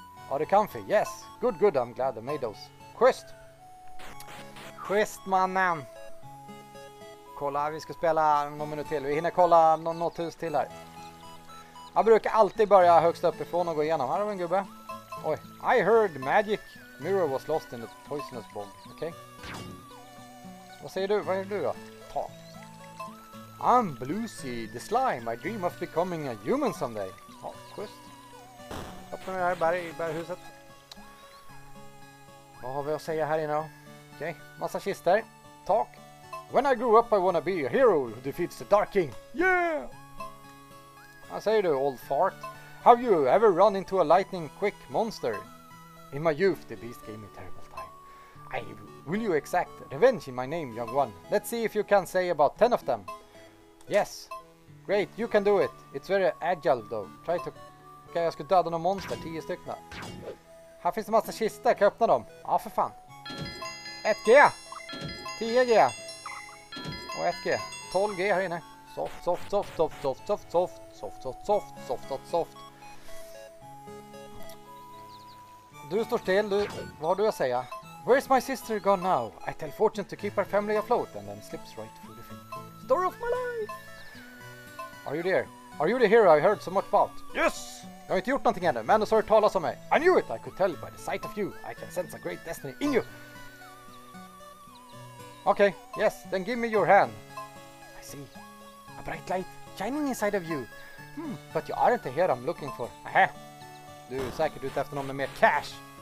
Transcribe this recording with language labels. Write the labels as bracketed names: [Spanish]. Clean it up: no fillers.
[English] Are they comfy? Yes. Good, good. I'm glad I made those. [Swedish] Schysst. Schysst, mannen. Kolla, vi ska spela någon minut till. Vi hinner kolla något hus till här. Jag brukar alltid börja högst uppifrån och gå igenom. Här har vi en gubbe. Oj. [English] I heard magic mirror was lost in the poisonous bog. [Swedish] Okej. Okay. Vad säger du? Vad är du då? Ta. [English] I'm Bluesy the slime. I dream of becoming a human someday. [Swedish] Ja, schysst. Öppnar vi här berghuset. Vad har vi att säga här inne då? Okej, massa kister. Talk. [English] When I grew up I wanna be a hero who defeats the Dark King. [Swedish] Yeah! Vad säger du, [English] old fart? Have you ever run into a lightning quick monster? In my youth the beast gave me terrible time. Will you exact revenge in my name, young one? Let's see if you can say about 10 of them. Yes. Great, you can do it. It's very agile though. Try to... [Swedish] Okej, jag ska döda några monster, 10 stycken. Här finns en massa kista, kan jag öppna dem? Ja, för fan. 1G! 10G! Och 1G. 12G här inne. Soft, soft, soft, soft, soft, soft, soft, soft, soft, soft, soft, soft, soft. Du står still, du. Vad har du att säga? [English] Where is my sister gone now? I tell fortune to keep her family afloat and then slips right through the finger. Story of my life! Are you there? Are you the hero I heard so much about? Yes! [Swedish] Jag har inte gjort någonting ännu, men du har hört talas om mig. [English] I knew it! I could tell by the sight of you. I can sense a great destiny in you. Okay, yes, then give me your hand. I see. A bright light shining inside of you. But you aren't the hero I'm looking for. Aha! [Swedish] Du är säkert ute efter någon med mer cash.